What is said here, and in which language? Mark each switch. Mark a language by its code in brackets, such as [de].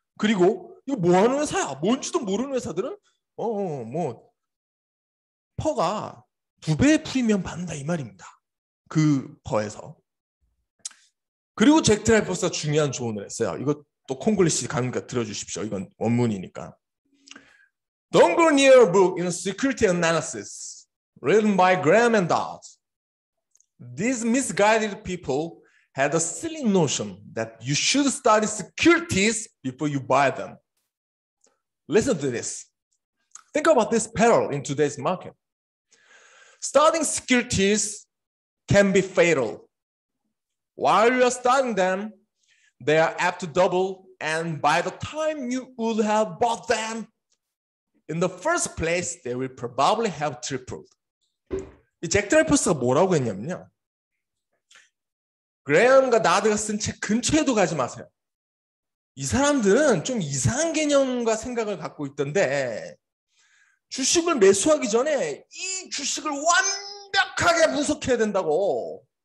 [ko] 그리고 이거 뭐 하는 회사야? 뭔지도 모르는 회사들은 뭐 퍼가 2배의 프리미엄 받는다 이 말입니다. 그 퍼에서. 그리고 잭 드라이퍼스가 중요한 조언을 했어요. 이거 또 콩글리시 가능한가 들어주십시오. 이건 원문이니까. [en] Don't go near a book in a security analysis written by Graham and Dodd. These misguided people had a silly notion that you should study securities before you buy them. Listen to this. Think about this peril in today's market. Studying securities can be fatal. While you are studying them, they are apt to double, and by the time you would have bought them, in the first place, they will probably have tripled. [ko] 이 잭 드라이퍼스가 뭐라고 했냐면요. 그레엄과 나드가 쓴 책 근처에도 가지 마세요. 이 사람들은 좀 이상한 개념과 생각을 갖고 있던데 주식을 매수하기 전에 이 주식을 완벽하게 분석해야 된다고.